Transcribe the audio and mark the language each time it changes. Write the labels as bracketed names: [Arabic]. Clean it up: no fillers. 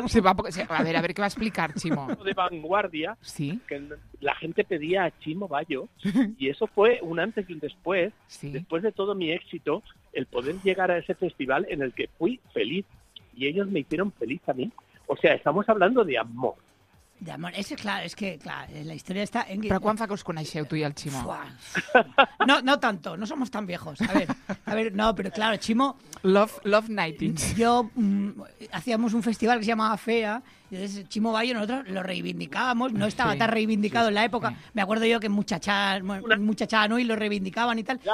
[Spanish] Se va a ver, ¿qué va a explicar, Chimo? De vanguardia. Sí. Que la gente pedía a Chimo Bayo. Y eso fue un antes y un después. Sí. Después de todo mi éxito, el poder llegar a ese festival en el que fui feliz. Y ellos me hicieron feliz a mí. O sea, estamos hablando de amor. De amor, ese, [Catalan] clar, és que, clar, la història està... En... Però quan fa que us coneixeu, tu i el Chimo? Fuà. [Spanish] No, no tanto, no somos tan viejos. A ver, no, pero claro, Chimo... [English] Love Nightings. [Spanish] Yo, hacíamos un festival que se llamaba Fea, y entonces Chimo Bayo, nosotros lo reivindicábamos, no estaba sí, tan reivindicado sí, en la época. Sí. Me acuerdo yo que muchachas, ¿no? Y lo reivindicaban y tal.